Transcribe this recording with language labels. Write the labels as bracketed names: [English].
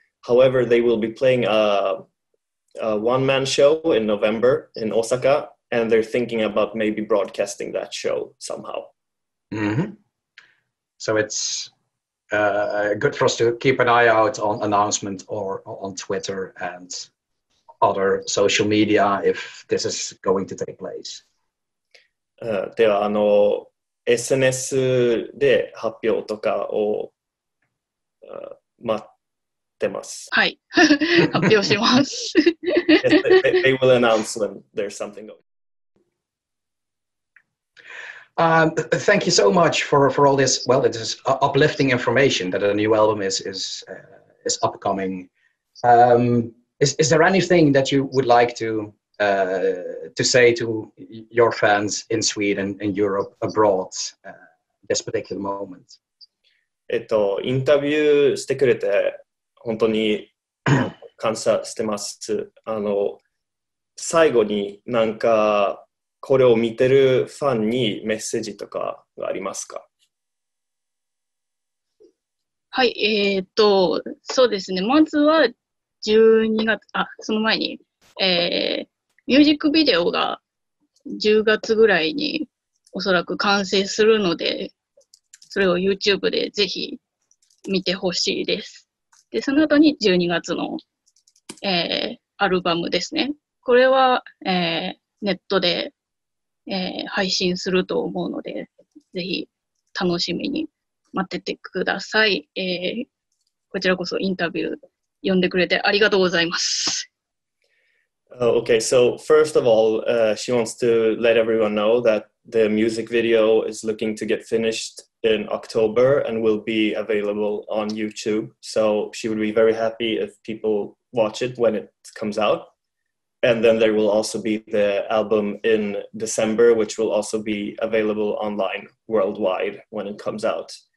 [English] However, they will be playing a one-man show in November in Osaka, and they're thinking about maybe broadcasting that show somehow. Mm-hmm. So it's good for us to keep an eye out on announcements or on Twitter and other social media if this is going to take place. [Japanese] ではあの SNS で発表とかを待ってます。はい、発表します。 [English] they will announce when there's something going on. Thank you so much for all this. Well, it is uplifting information that a new album is upcoming. Is there anything that you would like to say to your fans in Sweden, in Europe, abroad, this particular moment? [Japanese] インタビューしてくれて本当に感謝してます。あの、最後になんかこれを見てるファンにメッセージとかがありますか？はい、そうですね。まずは12月、あ、その前に、ミュージックビデオが10月ぐらいにおそらく完成するので、それを YouTube でぜひ見てほしいです。で、その後に12月の、アルバムですね。これは、ネットで配信すると思うのでぜひ楽しみに待っててください、こちらこそインタビュー呼んでくれてありがとうございます、 [English] Okay, so first of all, she wants to let everyone know that the music video is looking to get finished in October and will be available on YouTube. So she would be very happy if people watch it when it comes outAnd then there will also be the album in December, which will also be available online worldwide when it comes out.